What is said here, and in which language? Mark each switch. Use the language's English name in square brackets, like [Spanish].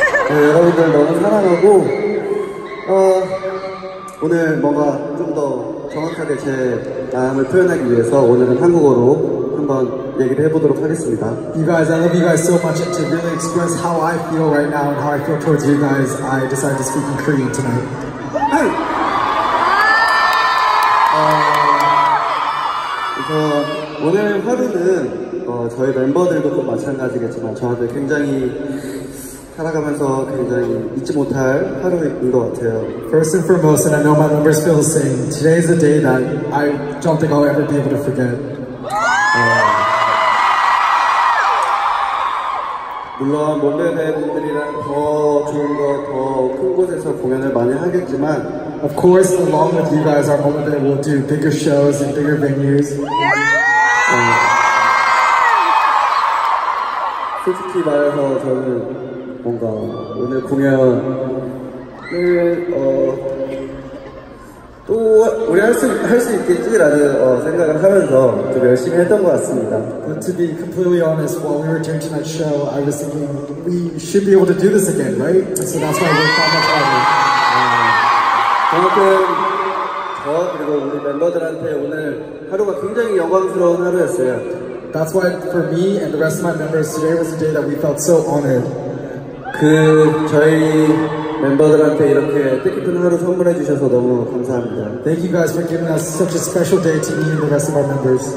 [Korean] 네. 여러분들 너무 사랑하고, 오늘 뭔가 좀 더 정확하게 제 마음을 표현하기 위해서 오늘은 한국어로 한번 얘기를 해보도록 하겠습니다. [English] You guys, I love you guys so much. And to really express how I feel right now and how I feel towards you guys, I decided to speak in Korean tonight. Hey! [Korean] 그래서 오늘 하루는 저희 멤버들도 좀 마찬가지겠지만 저한테 굉장히 살아가면서 굉장히 잊지 못할 하루인 것 같아요. [English] First and foremost, and I know my members feel the same. Today is a day that I don't think I'll ever be able to forget. [Korean] 물론 몬베베 분들이랑 더 좋은 거, 더 큰 곳에서 공연을 많이 하겠지만, [English] of course, along with you guys, our moment that we'll do bigger shows and bigger venues. Yeah! [Korean] 솔직히 말해서 저는 뭔가 오늘 공연을 또 우리 할 수 있겠지라는 생각을 하면서 좀 열심히 했던 것 같습니다. [English] But to be completely honest, while we were doing tonight's show, I was thinking we should be able to do this again, right? And so that's why we're coming together. [Korean] 아무튼 저 그리고 우리 멤버들한테 오늘 하루가 굉장히 영광스러운 하루였어요. [English] That's why for me and the rest of my members, today was a day that we felt so honored. [Korean] 그 저희 멤버들한테 이렇게 뜻깊은 하루 선물해 주셔서 너무 감사합니다. [English] Thank you guys for giving us such a special day to me and the rest of our members.